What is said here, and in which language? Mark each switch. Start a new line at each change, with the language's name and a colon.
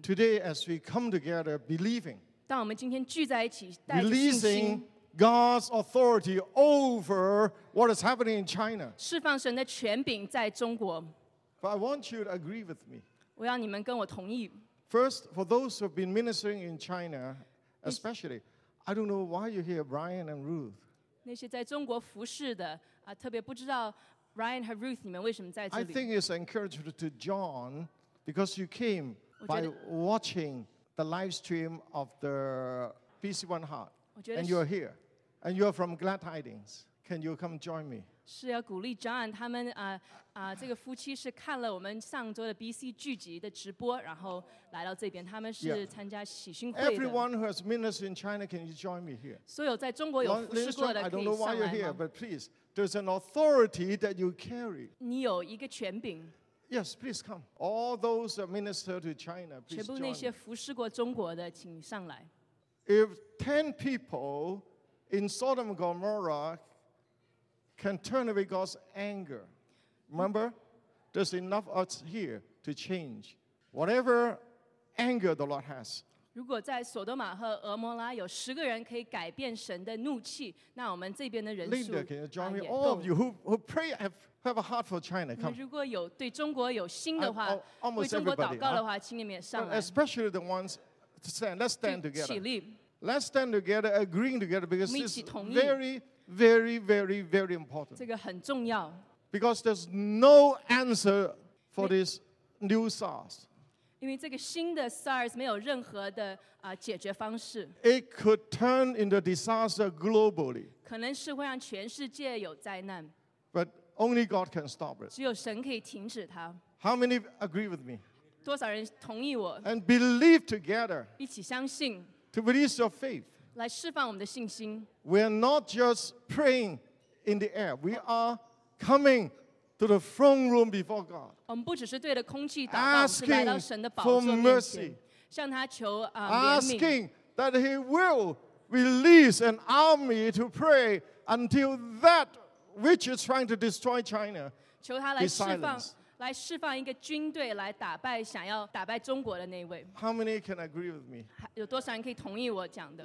English: Today, as we come together, believing.
Chinese: 当我们今天聚在一起，带着信心。
English: God's authority over what is happening in China.
Chinese: 释放神的权柄在中国。
English: But I want you to agree with me.
Chinese: 我要你们跟我同意。
English: First, for those who have been ministering in China, especially, I don't know why you hear Brian and Ruth.
Chinese: 那些在中国服事的啊，特别不知道 Brian 和 Ruth 你们为什么在这里。
English: I think it's encouragement to John because you came by watching the live stream of the BC One Heart. And you're here. And you're from Glad Tidings. Can you come join me?
Chinese: 是要鼓励 John 他们这个夫妻是看了我们上周的 BC 聚集的直播，然后来到这边。他们是参加喜讯会的。
English: Everyone who has ministered in China, can you join me here?
Chinese: 所有在中国有服事过的可以上来吗？
English: I don't know why you're here, but please, there's an authority that you carry.
Chinese: 你有一个权柄。
English: Yes, please come. All those minister to China, please join me.
Chinese: 全部那些服事过中国的，请上来。
English: If 10 people in Sodom and Gomorrah can turn away God's anger, remember, there's enough of us here to change whatever anger the Lord has.
Chinese: 如果在索多玛和俄摩拉有十个人可以改变神的怒气，那我们这边的人数
English: Linda, can you join me? All of you who pray have a heart for China, come.
Chinese: 如果有对中国有心的话，为中国祷告的话，请你们也上来。
English: Especially the ones. Stand. Let's stand together. Let's stand together, agreeing together, because this is very, very, very, very important.
Chinese: 这个很重要。
English: Because there's no answer for this new SARS.
Chinese: 因为这个新的 SARS 没有任何的解决方式。
English: It could turn into disaster globally.
Chinese: 可能是会让全世界有灾难。
English: But only God can stop it.
Chinese: 只有神可以停止它。
English: How many agree with me?
Chinese: 多少人同意我
English: and believe together,
Chinese: 一起相信
English: to release your faith,
Chinese: 来释放我们的信心
English: We are not just praying in the air. We are coming to the throne room before God.
Chinese: 我们不只是对着空气祷告，是来到神的宝座面前
English: asking for mercy,
Chinese: 向他求怜悯
English: asking that He will release an army to pray until that which is trying to destroy China is silenced.
Chinese: 来释放一个军队来打败想要打败中国的那位。
English: How many can agree with me?
Chinese: 有多少人可以同意我讲的